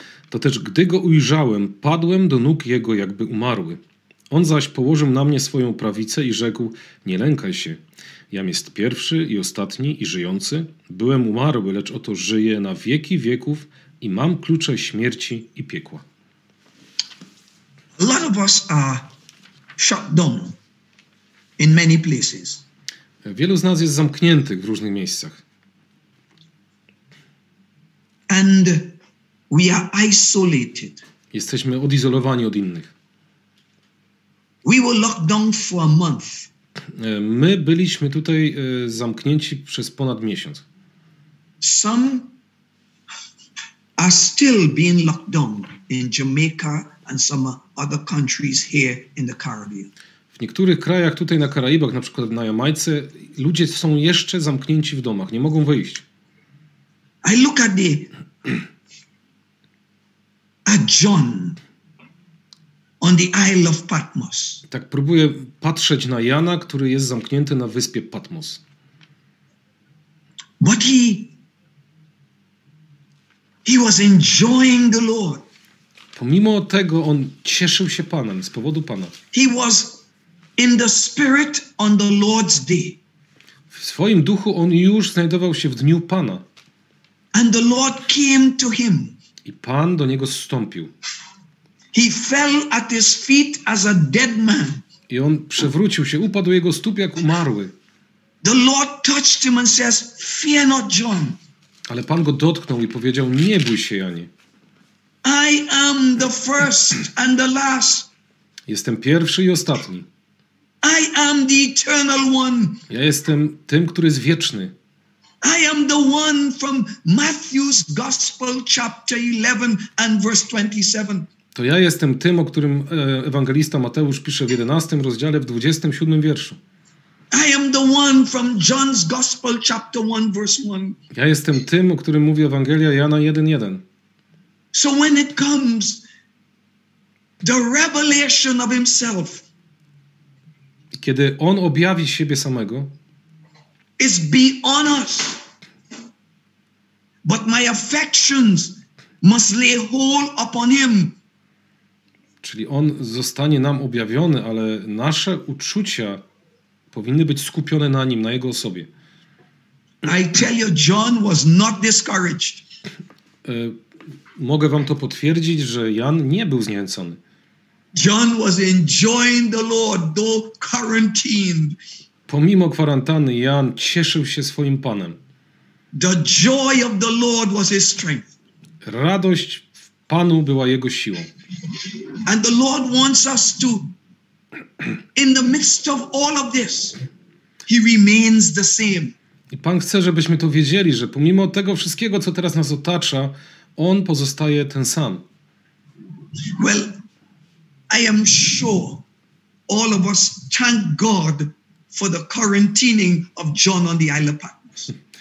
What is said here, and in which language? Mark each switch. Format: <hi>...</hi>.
<pl>To też gdy go ujrzałem, padłem do nóg jego, jakby umarły. On zaś położył na mnie swoją prawicę i rzekł: nie lękaj się. Jam jest pierwszy i ostatni i żyjący. Byłem umarły, lecz oto żyję na wieki wieków i mam klucze śmierci i piekła.</pl> <en>A lot of us are shut down in many places.</en> <pl>Wielu z nas jest zamkniętych w różnych miejscach.</pl> <en>And we are isolated.</en> <pl>Jesteśmy odizolowani od innych.</pl> <en>We were locked down for a month.</en> <pl>My byliśmy tutaj zamknięci przez ponad miesiąc.</pl> <en>Some are still being locked down in Jamaica and some other countries here in the Caribbean.</en> <pl>W niektórych krajach tutaj na Karaibach, na przykład na Jamajce, ludzie są jeszcze zamknięci w domach, nie mogą wyjść.</pl> <en>I look at the at John on the Isle of Patmos.</en> <pl>Tak próbuję patrzeć na Jana, który jest zamknięty na wyspie Patmos.</pl> <en>But he was enjoying the Lord.</en> <pl>Pomimo tego on cieszył się Panem, z powodu Pana.</pl> <en>He was in the spirit on the Lord's day.</en> <pl>W swoim duchu on już znajdował się w dniu Pana.</pl> <en>And the Lord came to him.</en> <pl>I Pan do niego zstąpił.</pl> <en>He fell at his feet as a dead man.</en> <pl>I on przewrócił się, upadł jego stóp jak umarły.</pl> <en>The Lord touched him and says, "Fear not, John."</en> <pl>Ale Pan go dotknął i powiedział: nie bój się, Janie.</pl> <en>I am the first and the last.</en> <pl>Jestem pierwszy i ostatni.</pl> <en>I am the eternal one.</en> <pl>Ja jestem tym, który jest wieczny.</pl> <en>I am the one from Matthew's Gospel chapter 11 and verse 27.</en> <pl>To ja jestem tym, o którym ewangelista Mateusz pisze w 11 rozdziale w 27 wierszu.</pl> <en>I am the one from John's Gospel chapter 1 verse 1.</en> <pl>Ja jestem tym, o którym mówi Ewangelia Jana 1:1.</pl> <en>So when it comes the revelation of himself,</en> <pl>kiedy on objawi siebie samego,</pl> <en>it's beyond us. But my affections must lay hold upon him.</en> <pl>Czyli on zostanie nam objawiony, ale nasze uczucia powinny być skupione na nim, na jego osobie.</pl> <en>I tell you, John was not discouraged.</en> <pl>Mogę wam to potwierdzić, że Jan nie był zniechęcony.</pl> <en>John was enjoying the Lord though quarantined.</en> <pl>Pomimo kwarantanny Jan cieszył się swoim Panem.</pl> <en>The joy of the Lord was his strength.</en> <pl>Radość w Panu była jego siłą.</pl> <en>And the Lord wants us to, in the midst of all of this, he remains the same.</en> <pl>I Pan chce, żebyśmy to wiedzieli, że pomimo tego wszystkiego, co teraz nas otacza, on pozostaje ten sam.</pl> <en>Well, I am sure all of us thank God for the quarantining of John on the Isle of Patmos.</en>